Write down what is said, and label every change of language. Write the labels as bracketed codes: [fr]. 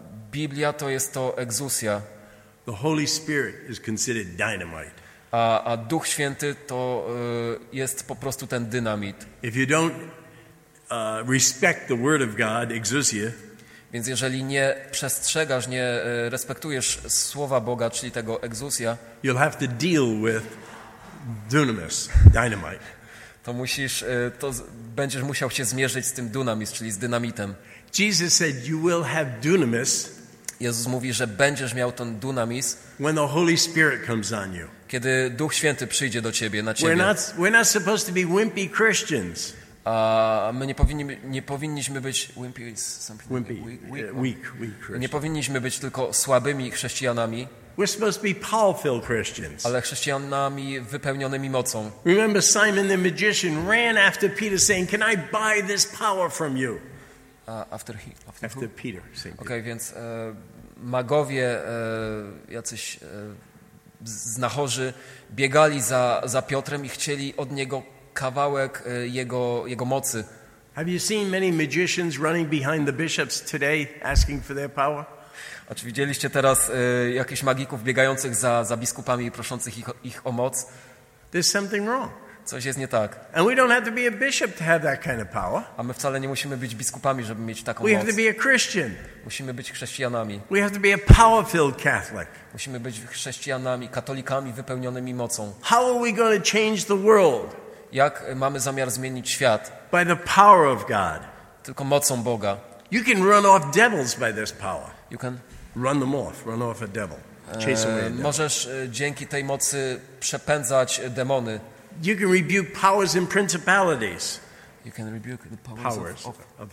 [pl] Biblia to jest to exousia. [en] The Holy Spirit is considered dynamite. [pl] A Duch Święty to jest po prostu ten dynamit. [en] If you don't respect the word of God, exousia. [pl] Więc jeżeli nie przestrzegasz, nie respektujesz słowa Boga, czyli tego exousia, [en] you'll have to deal with dunamis, dynamite. [pl] To musisz, to będziesz musiał się zmierzyć z tym dunamis, czyli z dynamitem. [en] Jesus said, you will have dunamis. [pl] Jezus mówi, że będziesz miał ten dunamis, [en] when the Holy Spirit comes on you. [pl] Kiedy Duch Święty przyjdzie do ciebie, na ciebie. [en] We're not supposed to be wimpy Christians. [pl] A my nie powinniśmy być wimpy, [en] weak Christians. [pl] Nie powinniśmy być tylko słabymi chrześcijanami. [en] We're supposed to be powerful Christians. [pl] Ale chrześcijanami wypełnionymi mocą. [en] Remember Simon the magician ran after Peter saying, "Can I buy this power from you?" After Peter. [pl] Okay, więc magowie jacyś znachorzy biegali za Piotrem i chcieli od niego kawałek jego mocy. [en] Have you seen many magicians running behind the bishops today asking for their power? [pl] A czy widzieliście teraz jakichś magików biegających za biskupami i proszących ich o moc? [en] There's something wrong. [pl] Coś jest nie tak. [en] And we don't have to be a bishop to have that kind of power. [pl] A my wcale nie musimy być biskupami, żeby mieć taką [en] we [pl] moc. [en] We have to be a Christian. [pl] Musimy być chrześcijanami. [en] We have to be a power-filled Catholic. [pl] Musimy być chrześcijanami, katolikami wypełnionymi mocą. [en] How are we going to change the world? [pl] Jak mamy zamiar zmienić świat? [en] By the power of God. [pl] Tylko mocą Boga. [en] You can run off devils by this power. You can run them off. Run off a devil. Chase away a devil. [pl] Możesz dzięki tej mocy przepędzać demony. [en] You can rebuke powers and principalities. You can rebuke the powers of